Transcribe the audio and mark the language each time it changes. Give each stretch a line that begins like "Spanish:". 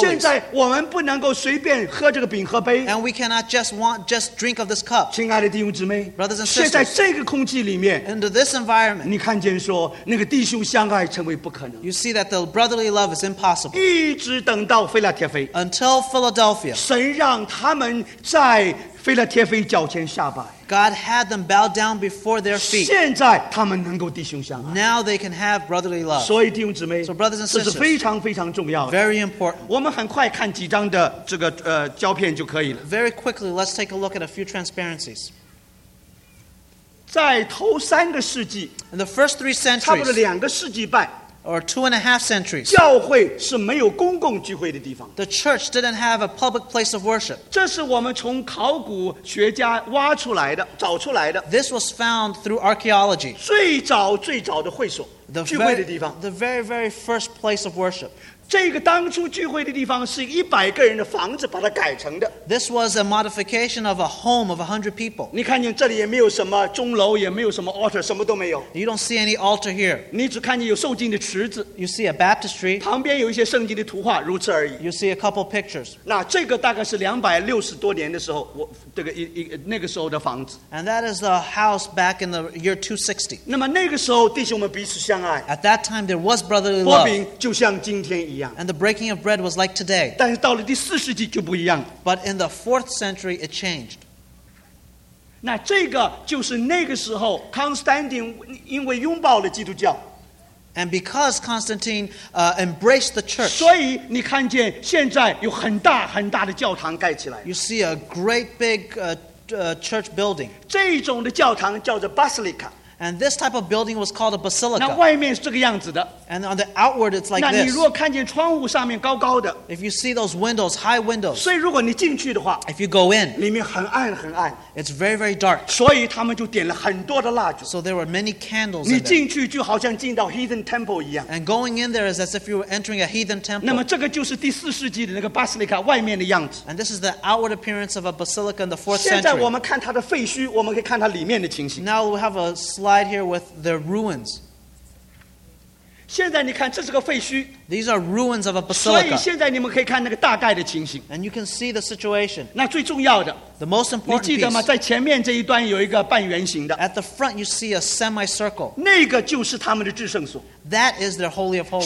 Chinese: 现在我们不能够随便喝这个饼和杯。
English: And we cannot just drink of this cup.
Chinese: 亲爱的弟兄姊妹，
English: brothers and sisters.
Chinese: 现在这个空气里面，
English: under this environment,
Chinese: 你看见说那个弟兄相爱成为不可能。
English: You see that the brotherly love is impossible.
Chinese: 一直等到腓拉帖腓，
English: until Philadelphia,
Chinese: 神让他们在腓拉帖腓脚前下拜，
English: God had them bow down before their feet.
Chinese: 现在他们能够弟兄相爱，
English: now they can have brotherly love.
Chinese: 所以弟兄姊妹，
English: so brothers and sisters,
Chinese: 这是非常非常重要的，
English: very important.
Chinese: 我们很快看几张的这个胶片就可以了。
English: Very quickly, let's take a look at a few transparencies.
Chinese: 在头三个世纪，
English: in the first three centuries,
Chinese: 差不多两个世纪半，
English: or two and a half centuries,
Chinese: 教会是没有公共聚会的地方。
English: The church didn't have a public place of worship.
Chinese: 这是我们从考古学家挖出来的，找出来的。
English: This was found through archaeology.
Chinese: 最早最早的会所，聚会的地方。
English: The very very first place of worship.
Chinese: 这个当初聚会的地方是一百个人的房子把它改成的。
English: This was a modification of a home of 100 people.
Chinese: 你看见这里也没有什么钟楼，也没有什么 altar， 什么都没有。
English: You don't see any altar here.
Chinese: 你只看见有受浸的池子。
English: You see a baptistry.
Chinese: 旁边有一些圣经的图画，如此而已。
English: You see a couple pictures.
Chinese: 那这个大概是260多年的时候，那个时候的房子。
English: And that is the house back in the year 260.
Chinese: 那么那个时候弟兄们彼此相爱。
English: At that time there was brotherly love.
Chinese: 擘饼就像今天一样。
English: And the breaking of bread was like today.
Chinese: 但是到了第四世纪就不一样。
English: But in the fourth century, it changed.
Chinese: 那这个就是那个时候 Constantine 因为拥抱了基督教。
English: And because Constantine embraced the church,
Chinese: 所以你看见现在有很大很大的教堂盖起来。
English: You see a great big church building.
Chinese: 这种的教堂叫做 Basilica。
English: And this type of building was called a basilica.
Chinese: 那外面是这个样子的。
English: And on the outward, it's like this.
Chinese: 那你如果看见窗户上面高高的。
English: If you see those windows, high windows.
Chinese: 所以如果你进去的话。
English: If you go in.
Chinese: 里面很暗很暗。
English: It's very, very dark.
Chinese: 所以他们就点了很多的蜡烛。
English: So there were many candles.
Chinese: 你进去就好像进到
English: heathen temple
Chinese: 一样。
English: And going in there is as if you were entering a heathen temple.
Chinese: 那么这个就是第四世纪的那个 basilica 外面的样子。
English: And this is the outward appearance of a basilica in the fourth century.
Chinese: 现在我们看它的废墟，我们可以看它里面的情形。
English: Now we have a slide here with the ruins.
Chinese: 现在你看，这是个废墟。
English: These are ruins of a basilica.
Chinese: 所以现在你们可以看那个大概的情形。
English: And you can see the situation.
Chinese: 那最重要的。
English: The most important piece.
Chinese: 你记得吗？在前面这一端有一个半圆形的。
English: At the front, you see a semicircle.
Chinese: 那个就是他们的至圣所。
English: That is their holy of holies.